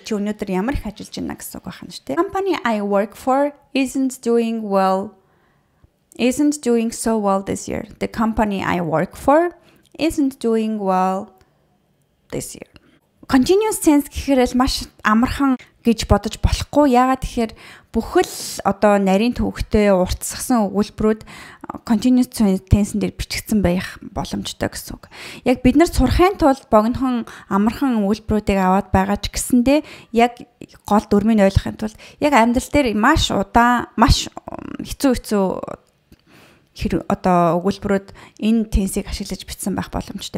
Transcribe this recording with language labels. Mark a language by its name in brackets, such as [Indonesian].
[Mongolian] Чи өнөөдөр ямар их ажиллаж байна гэсэн үг байна шүү дээ. [English] Company I work for isn't doing so well this year. The company I work for isn't doing well this year. [Mongolian] Continuous tense гэхэрэл маш амархан гэж бодож болохгүй. Яагаад тэгэхээр бүхэл одоо нарийн төвөгтэй уртсгсан өгүүлбэрүүд continuous tense-н дээр бичигдсэн байх боломжтой гэсэн үг. Яг бид нар сурахын тулд богинохон амархан өгүүлбэрүүдийг аваад байгаа ч гэсэндээ яг гол дүрмийн ойлгохын тулд яг амьдрал дээр маш удаан, маш хэцүү хэр одоо өгүүлбэрүүд энэ tense-ийг ашиглаж бичсэн байх боломжтой.